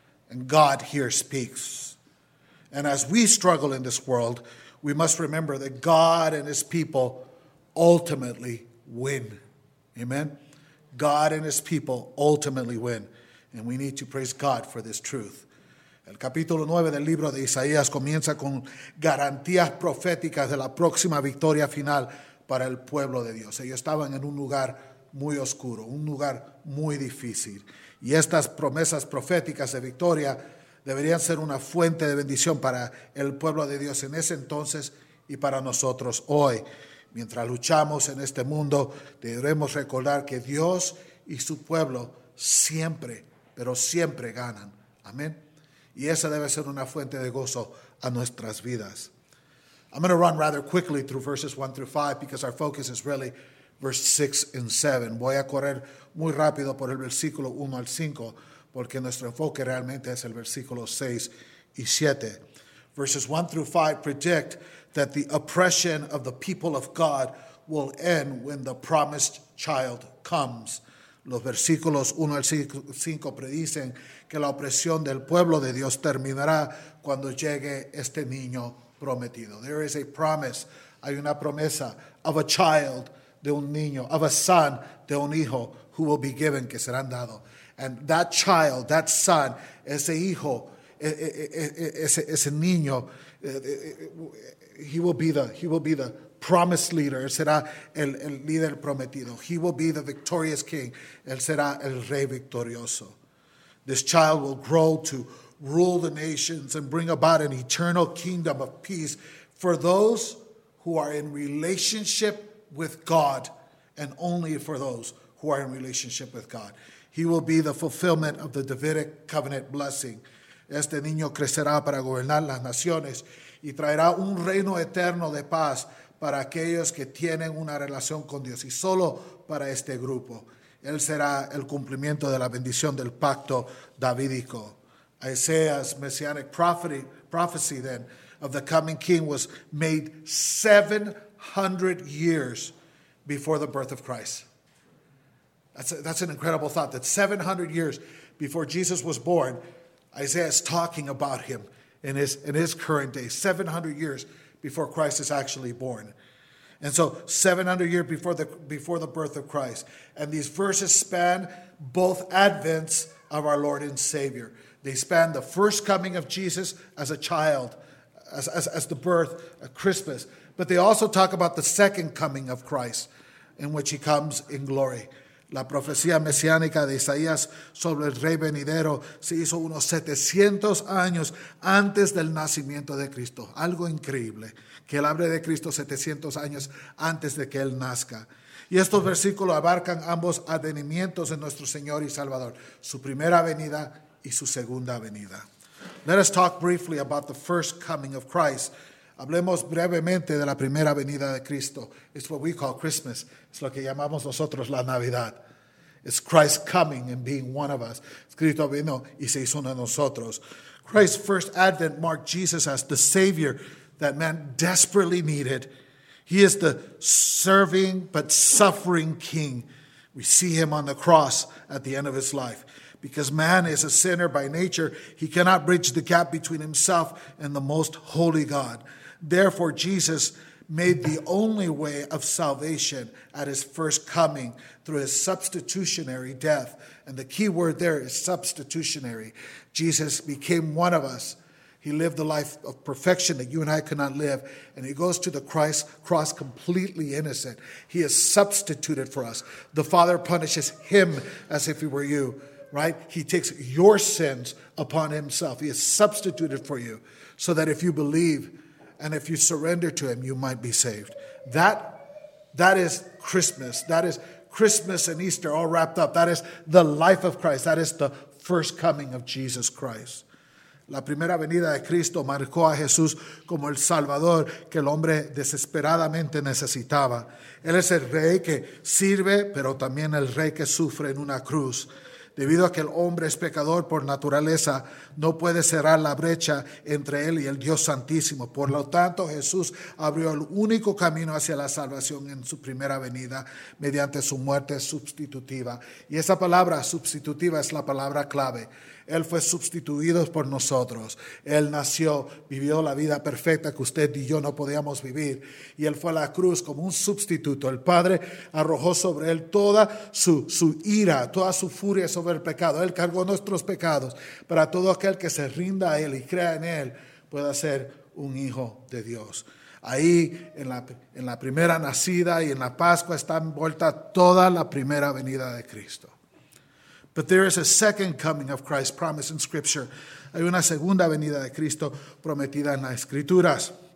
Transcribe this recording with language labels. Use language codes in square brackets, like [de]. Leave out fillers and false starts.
[en] And God here speaks. And as we struggle in this world, we must remember that God and his people ultimately win. Amen? God and his people ultimately win. And we need to praise God for this truth. [es] El capítulo 9 del libro de Isaías comienza con garantías proféticas de la próxima victoria final para el pueblo de Dios. Ellos estaban en un lugar muy oscuro, un lugar muy difícil. Y estas promesas proféticas de victoria deberían ser una fuente de bendición para el pueblo de Dios en ese entonces y para nosotros hoy. Mientras luchamos en este mundo, debemos recordar que Dios y su pueblo siempre, pero siempre ganan. Amén. Y esa debe ser una fuente de gozo a nuestras vidas. [en] I'm going to run rather quickly through verses 1 through 5 because our focus is really verse 6 and 7. [es] Voy a correr muy rápido por el versículo 1 al 5 porque nuestro enfoque realmente es el versículo 6 y 7. [en] Verses 1 through 5 predict that the oppression of the people of God will end when the promised child comes. [es] Los versículos 1 al 5 predicen que la opresión del pueblo de Dios terminará cuando llegue este niño prometido. [en] There is a promise, [es] hay una promesa [en] of a child, [es] de un niño, [en] of a son, [es] de un hijo, [en] who will be given, [es] que serán dado. [en] And that child, that son, [es] ese hijo, ese niño, [en] he will be the promised leader, [es] será el líder prometido. [en] He will be the victorious king. [es] Él será el rey victorioso. [en] This child will grow to rule the nations and bring about an eternal kingdom of peace for those who are in relationship with God and only for those who are in relationship with God. He will be the fulfillment of the Davidic covenant blessing. [es] Este niño crecerá para gobernar las naciones y traerá un reino eterno de paz para aquellos que tienen una relación con Dios y solo para este grupo. Él será el cumplimiento de la bendición del pacto davídico. [en] Isaiah's messianic prophecy then of the coming king was made 700 years before the birth of Christ. That's an incredible thought, that 700 years before Jesus was born, Isaiah is talking about him in his current day, 700 years before Christ is actually born. And so 700 years before the birth of Christ. And these verses span both advents of our Lord and Savior. They span the first coming of Jesus as a child, as the birth of Christmas. But they also talk about the second coming of Christ, in which he comes in glory. [es] La profecía mesiánica de Isaías sobre el rey venidero se hizo unos 700 años antes del nacimiento de Cristo. Algo increíble, que él hable de Cristo 700 años antes de que él nazca. Y estos versículos abarcan ambos advenimientos de nuestro Señor y Salvador, su primera venida y su segunda venida. [en] Let us talk briefly about the first coming of Christ. [es] Hablemos brevemente de la primera venida de Cristo. [en] It's what we call Christmas. [es] Es lo que llamamos nosotros la Navidad. [en] It's Christ coming and being one of us. [es] Cristo vino y se hizo uno de nosotros. [en] Christ's first advent marked Jesus as the Savior that man desperately needed. He is the serving but suffering King. We see him on the cross at the end of his life. Because man is a sinner by nature, he cannot bridge the gap between himself and the most holy God. Therefore, Jesus made the only way of salvation at his first coming through his substitutionary death. And the key word there is substitutionary. Jesus became one of us. He lived the life of perfection that you and I cannot live. And he goes to the Christ cross completely innocent. He is substituted for us. The Father punishes him as if he were you. Right? He takes your sins upon himself. He is substituted for you so that if you believe and if you surrender to him, you might be saved. That is Christmas. That is Christmas and Easter all wrapped up. That is the life of Christ. That is the first coming of Jesus Christ. [es] La primera venida de Cristo marcó a Jesús como el Salvador que el hombre desesperadamente necesitaba. Él es el Rey que sirve, pero también el Rey que sufre en una cruz. Debido a que el hombre es pecador por naturaleza, no puede cerrar la brecha entre él y el Dios Santísimo. Por lo tanto, Jesús abrió el único camino hacia la salvación en su primera venida mediante su muerte sustitutiva. Y esa palabra sustitutiva es la palabra clave. Él fue sustituido por nosotros. Él nació, vivió la vida perfecta que usted y yo no podíamos vivir. Y Él fue a la cruz como un sustituto. El Padre arrojó sobre Él toda su ira, toda su furia sobre el pecado. Él cargó nuestros pecados para todo aquel que se rinda a Él y crea en Él pueda ser un hijo de Dios. Ahí en la primera nacida y en la Pascua está envuelta toda la primera venida de Cristo. [en] But there is a second coming of Christ promised in Scripture. [es] Hay una segunda venida de Cristo prometida en las Escrituras.